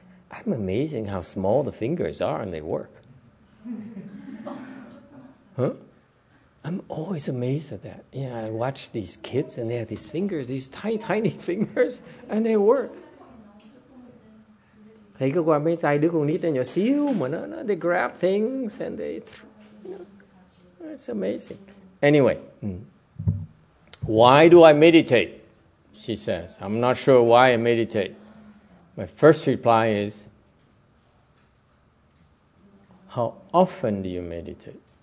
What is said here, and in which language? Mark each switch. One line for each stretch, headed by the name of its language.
English: I'm amazing how small the fingers are and they work. I'm always amazed at that. You know, I watch these kids and they have these fingers, these tiny, tiny fingers, and they work.
Vietnamese: Thấy cái quả mấy tay đứa con nít nhỏ xíu mà nó
English: they grab things and they, you know, it's amazing. Anyway, why do I meditate? She says, I'm not sure why I meditate. My first reply is, how often do you meditate?